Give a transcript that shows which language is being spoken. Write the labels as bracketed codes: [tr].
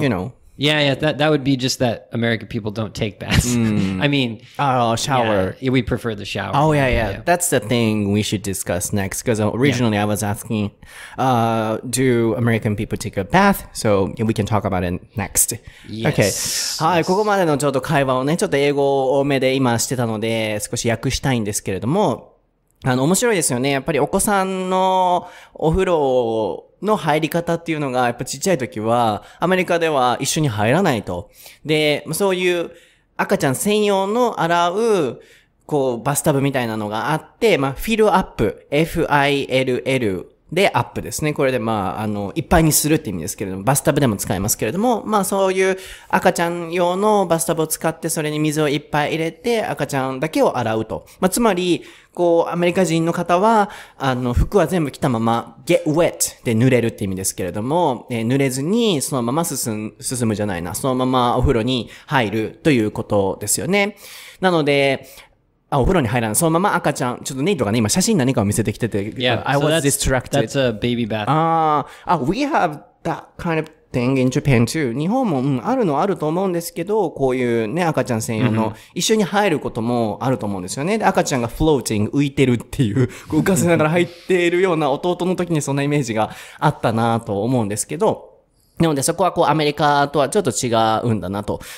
[en] you know. Yeah, yeah, that would be just that American people don't take baths. Mm. I mean, shower. Yeah, we prefer the shower. Oh, yeah. That's the thing we should discuss next, because originally yeah. I was asking, do American people take a bath? So we can talk about it next. Yes. Okay. [ja] はい、ここまでのちょっと会話をね、ちょっと英語多めで今してたので、少し訳したいんですけれども、面白いですよね。やっぱりお子さんのお風呂をの入り方っていうのが、やっぱちっちゃい時は、アメリカでは一緒に入らないと。で、そういう赤ちゃん専用の洗う、こう、バスタブみたいなのがあって、まあ、フィルアップ、F-I-L-L でアップですね。これで、まあ、いっぱいにするって意味ですけれども、バスタブでも使いますけれども、まあ、そういう赤ちゃん用のバスタブを使って、それに水をいっぱい入れて、赤ちゃんだけを洗うと。まあ、つまり、こうアメリカ人の方は服は全部着たまま [en] get wet [ja] で濡れるって意味ですけれども、濡れずにそのまま進むじゃないな、そのままお風呂に入るということですよね。なのでお風呂に入らない、そのまま赤ちゃん、ちょっとネイトがね今写真何かを見せてきてて、 [en] yeah. I was distracted. That's a baby bath. We have that kind of thing in Japan too. [ja] 日本も、うん、あるのあると思うんですけど、こういうね、赤ちゃん専用の一緒に入ることもあると思うんですよね。で、赤ちゃんがフローティング、浮いてるっていう、浮かせながら入っているような弟の時にそんなイメージがあったなぁと思うんですけど、なのでそこはこうアメリカとはちょっと違うんだなと。